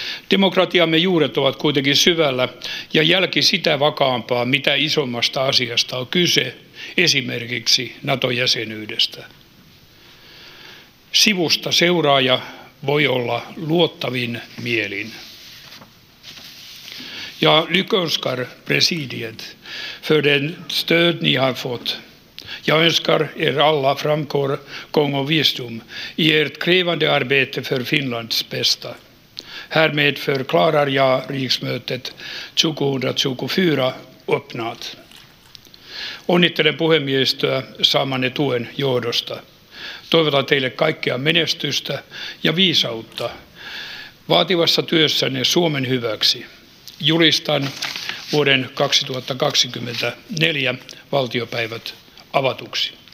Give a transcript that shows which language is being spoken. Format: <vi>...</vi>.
<fi>Demokratiamme juuret ovat kuitenkin syvällä ja jälki sitä vakaampaa, mitä isommasta asiasta on kyse, esimerkiksi NATO-jäsenyydestä. Sivusta seuraaja voi olla luottavin mielin.</fi> <sv>Ja lyckönskar presidiet för den stöd ni har fått. Jag önskar er alla framgång och visdom i ert krävande arbete för Finlands bästa. Härmed förklarar jag riksmötet 2024 öppnat.</sv> <fi>Onnittelen puhemiehistöä saamanne tuen johdosta. Toivotan teille kaikkea menestystä ja viisautta vaativassa työssänne Suomen hyväksi. Julistan vuoden 2024 valtiopäivät avatuksi.</fi>